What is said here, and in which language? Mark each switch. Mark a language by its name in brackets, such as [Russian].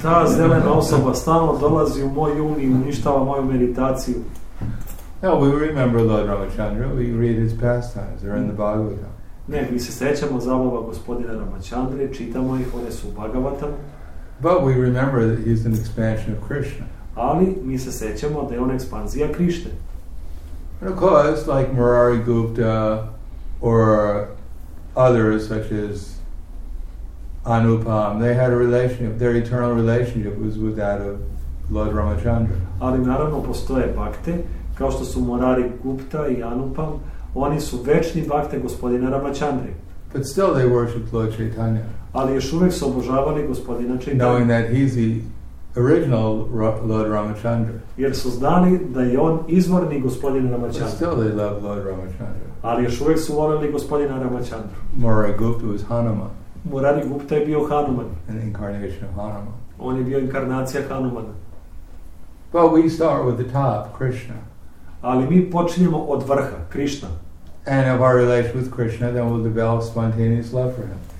[Serbian] Ta zelena osoba stalno dolazi u moj um i uništava moju meditaciju. [English] No, we remember Lord Ramachandra. We read his pastimes. They're in the Bhagavatam. [Serbian] Ne, mi se sećamo zabava gospodina Ramachandre, čitamo ih, one su u Bhagavatam. [English] But we remember that he's an expansion of Krishna. [Serbian] Ali mi se sećamo da je on ekspanzija Krišne. [English] And of course, like Murari Gupta or others such as Anupam, they had a relationship, their eternal relationship was with that of Lord Ramachandra. [Serbian] Ali naravno postoje bhakte, kao što su Murari Gupta i Anupam, oni su večni bhakte gospodina Ramachandre. [English] But still they worshipped Lord Chaitanya. [Serbian] Ali još uvijek su obožavali gospodina Chaitanya. [English] Knowing that he's the original Lord Ramachandra. [Serbian] Jer su znali da je on izvorni gospodin Ramachandra. [English] But still they loved Lord Ramachandra. [Serbian] Ali još uvijek su voljeli gospodina Ramachandra. [English] Murari Gupta was Hanuman. [Serbian] Murari Gupta je bio Hanuman. [English] An incarnation of Hanuman. [Serbian] On je bio inkarnacija Hanumana. [English] But we start with the top, Krishna. [Serbian] Ali mi počinjemo od vrha, Krishna. [English] And of our relation with Krishna, then we'll develop spontaneous love for him.